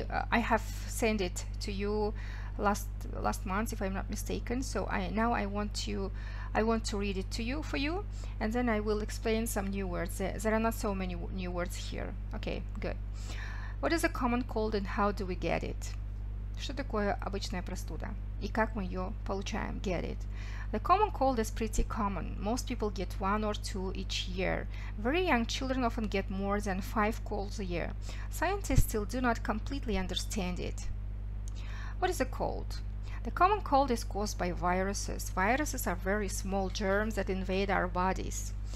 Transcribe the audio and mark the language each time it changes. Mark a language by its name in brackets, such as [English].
[English] I have sent it to you last month, if I'm not mistaken. So I want to read it to you for you, and then I will explain some new words. There are not so many new words here. Okay, good. What is a common cold and how do we get it? [Russian] Что такое обычная простуда и как мы ее получаем? [English] Get it. The common cold is pretty common. Most people get one or two each year. Very young children often get more than five colds a year. Scientists still do not completely understand it. What is a cold? The common cold is caused by viruses. Viruses are very small germs that invade our bodies.